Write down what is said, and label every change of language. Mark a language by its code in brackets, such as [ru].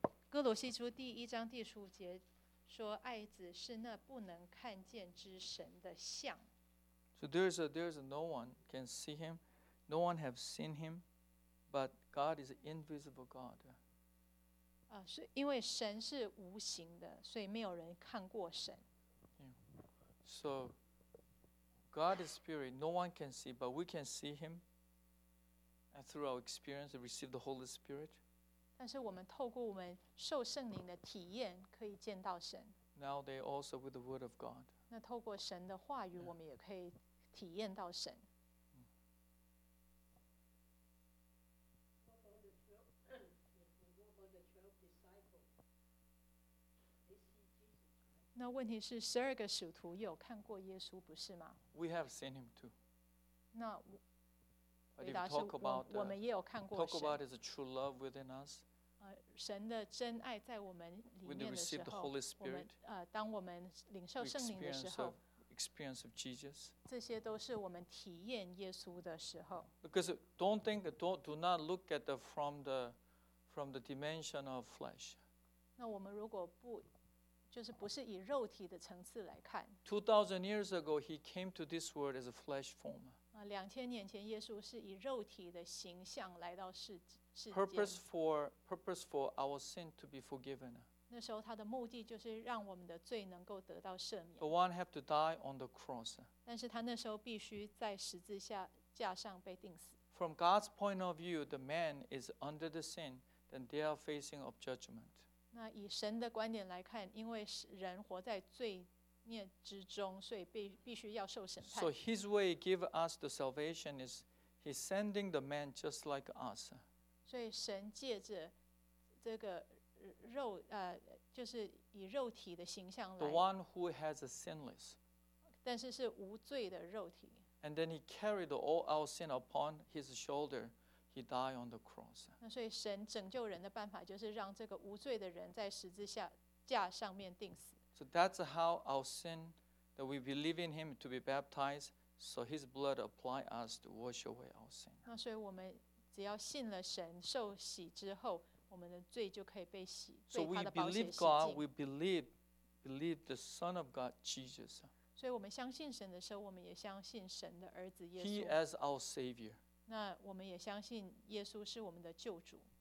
[zh] 哥罗西书第一章第十五节说，爱子是那不能看见之神的像。 [en] So there's no one can see him, no one have seen him, but God is an invisible God. [zh] 是因为神是无形的，所以没有人看过神。 [en] So God is spirit, no one can see, but we can see him and through our experience and receive the Holy Spirit. [zh] 但是我们透过我们受圣灵的体验可以见到神。 [en] Now they also with the word of God. [zh] 那透过神的话语我们也可以体验到神。那问题是十二个使徒有看过耶稣不是吗？ [en] We have seen him too. [zh] 那回答是我们也有看过神。 [en] Talk about his true love within us. [zh] 神的真爱在我们里面的时候。 [en] When we receive the Holy Spirit. [zh] 当我们领受圣灵的时候。 [en] Experience of Jesus. [zh] 这些都是我们体验耶稣的时候。 [en] Because do not look at the from the dimension of flesh. [zh] 那我们如果不就是不是以肉体的层次来看。 [en] 2000 years ago, he came to this world as a flesh form. [zh] 2000年前，耶稣是以肉体的形象来到世间。 [en] Purpose for our sin to be forgiven. [zh] 那时候他的目的就是让我们的罪能够得到赦免。 [en] The one have to die on the cross. [zh] 但是他那时候必须在十字架上被钉死。 [en] From God's point of view, the man is under the sin, then they are facing of judgment. [zh] 那以神的观点来看，因为人活在罪孽之中，所以必须要受审判。 [en] So his way give us the salvation is he sending the man just like us. [zh] 所以神借着这个肉，就是以肉体的形象来。 [en] The one who has a sinless. [zh] 但是是无罪的肉体。 [en] And then he carried all our sin upon his shoulder. He died on the cross. [zh] 那所以神拯救人的办法就是让这个无罪的人在十字架上面钉死。 [en] So that's how our sin that we believe in him to be baptized, so his blood apply us to wash away our sin. [zh] 那所以我们只要信了神受洗之后，我们的罪就可以被洗。 [en] So we believe God, we believe the Son of God, Jesus. [zh] 所以我们相信神的时候，我们也相信神的儿子耶稣。 [en] He as our Savior. [zh] 那我们也相信耶稣是我们的救主。